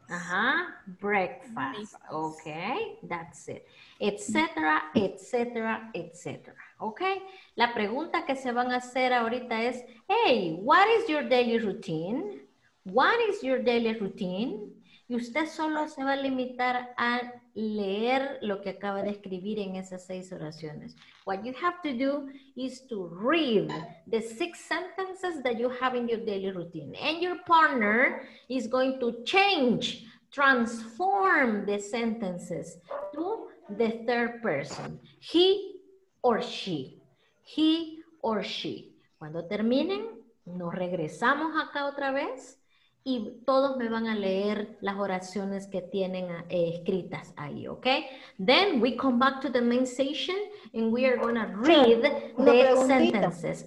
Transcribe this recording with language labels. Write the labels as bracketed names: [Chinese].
[English] Ajá, breakfast, okay, that's it, etcétera, etcétera, okay. [Spanish] La pregunta que se van a hacer ahorita es, [English] hey, what is your daily routine? What is your daily routine? [Spanish] Y usted solo se va a limitar a leer lo que acaba de escribir en esas seis oraciones. [English] What you have to do is to read the six sentences that you have in your daily routine. And your partner is going to change, transform the sentences to the third person. He or she. He or she. [Spanish] Cuando terminen, nos regresamos acá otra vez. Y todos me van a leer las oraciones que tienen escritas ahí, ¿ok? [English] Then we come back to the main session and we are going to read the sentences.